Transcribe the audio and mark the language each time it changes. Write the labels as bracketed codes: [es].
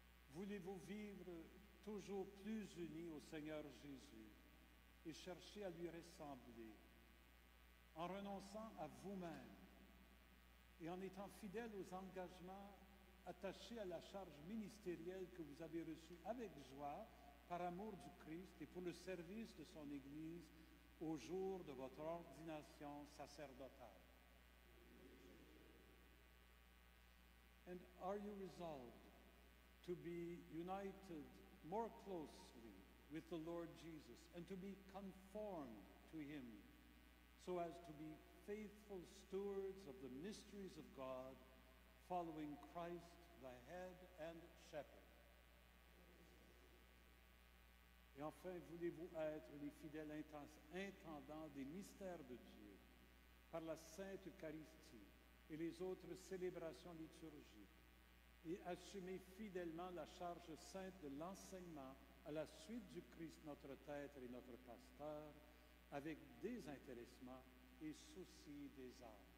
[fr] Voulez-vous vivre toujours plus unis au Seigneur Jésus et chercher à lui ressembler en renonçant à vous-même et en étant fidèle aux engagements attachés à la charge ministérielle que vous avez reçue avec joie par amour du Christ et pour le service de son Église au jour de votre ordination sacerdotale? [en] And are you resolved to be united more closely with the Lord Jesus and to be conformed to him so as to be faithful stewards of the mysteries of God, following Christ, the head and shepherd? [fr] Et enfin, voulez-vous être les fidèles intendants des mystères de Dieu par la Sainte Eucharistie et les autres célébrations liturgiques et assumer fidèlement la charge sainte de l'enseignement à la suite du Christ, notre tête et notre pasteur, avec désintéressement et souci des âmes?